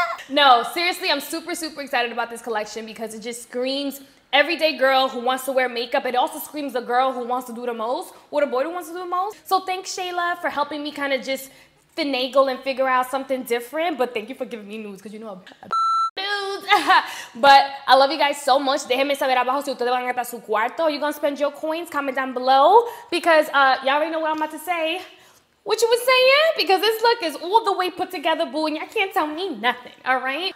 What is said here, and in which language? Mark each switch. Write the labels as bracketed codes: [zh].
[en] No, seriously, I'm super, super excited about this collection because it just screams everyday girl who wants to wear makeup. It also screams a girl who wants to do the most or the boy who wants to do the most. So thanks, Shayla, for helping me kind of just finagle and figure out something different, but thank you for giving me nudes because you know I'm bad nudes. But I love you guys so much. [es] Déjenme saber abajo si ustedes van a gastar su cuarto. [en] You gonna spend your coins? Comment down below because y'all already know what I'm about to say. What you was saying? Because this look is all the way put together, boo, and y'all can't tell me nothing, all right?